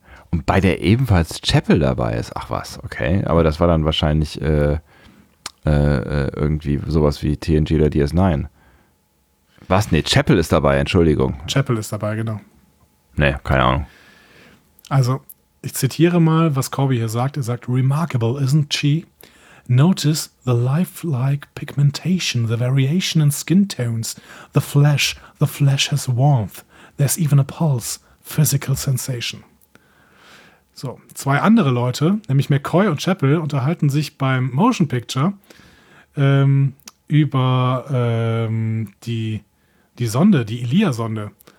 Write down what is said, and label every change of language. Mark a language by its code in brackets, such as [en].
[de] Und bei der ebenfalls Chapel dabei ist? Ach was, okay. Aber das war dann wahrscheinlich irgendwie sowas wie TNG oder DS9. Was? Nee, Chapel ist dabei, Entschuldigung. Chapel ist dabei, genau. Nee, keine Ahnung. Also, ich zitiere mal, was Corby hier sagt. Er sagt, [en] "Remarkable, isn't she? Notice the lifelike pigmentation, the variation in skin tones, the flesh has warmth, there's even a pulse, physical sensation." [de] So, zwei andere Leute, nämlich McCoy und Chapel, unterhalten sich beim Motion Picture über die Sonde, die Ilia-Sonde.